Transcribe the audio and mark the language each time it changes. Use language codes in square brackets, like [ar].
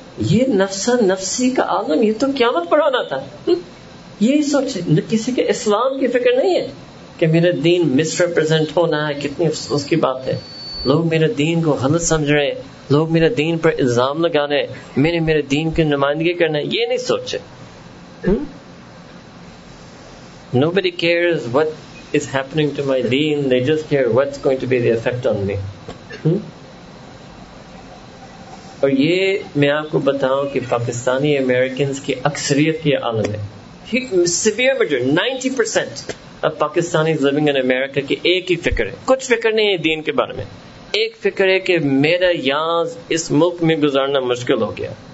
[ur] یہ نفسا نفسی کا عالم, یہ تو قیامت پر ہونا تھا, یہی سوچ ہے. کسی کے اسلام کی فکر نہیں ہے کہ میرا دین مس ریپرزینٹ ہونا ہے, کتنی افسوس کی بات ہے. لوگ میرے دین کو غلط سمجھ رہے ہیں, لوگ میرے دین پر الزام لگا رہے ہیں, میں نے میرے دین کی نمائندگی کرنا ہے, یہ نہیں سوچے. [en] Nobody cares what is happening to my deen, they just care what's going to be the effect on me. [ur] اور یہ میں آپ کو بتاؤں کہ پاکستانی امریکنز کی اکثریت کے عالم ہے, سیویئر میجر 90% اب پاکستانی [en] living in America [ur] کی ایک ہی فکر ہے, کچھ فکر نہیں ہے دین کے بارے میں, ایک فکر ہے کہ میرا یہاں اس ملک میں گزارنا مشکل ہو گیا.